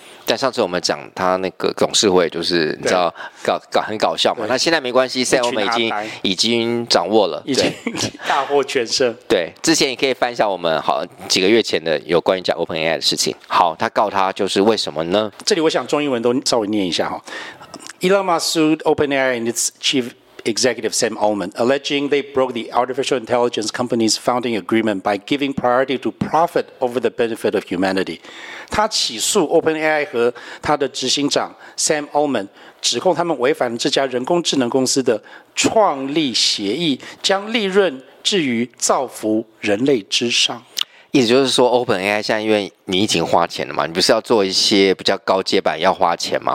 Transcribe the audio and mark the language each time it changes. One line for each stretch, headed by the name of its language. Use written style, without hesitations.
Chinese: 但上次我们讲他那个董事会，就是你知道很搞笑嘛。那现在没关系，塞欧们已经掌握了，已经大获全胜。对，之前也可以翻一下我们好几个月前的有关于讲 OpenAI 的事情。好，他告他就是为什么呢？这里我想中英文都稍微念一下哈。
English: Elon Musk sued OpenAI and its chief executive Sam Altman, alleging they broke the artificial intelligence company's founding agreement by giving priority to profit over the benefit of humanity.
Chinese: 他起诉 OpenAI 和他的执行长 Sam Altman， 指控他们违反了这家人工智能公司的创立协议，将利润置于造福人类之上。意思就是说 OpenAI 现在因为你已经花钱了嘛，你不是要做一些比较高阶版要花钱嘛？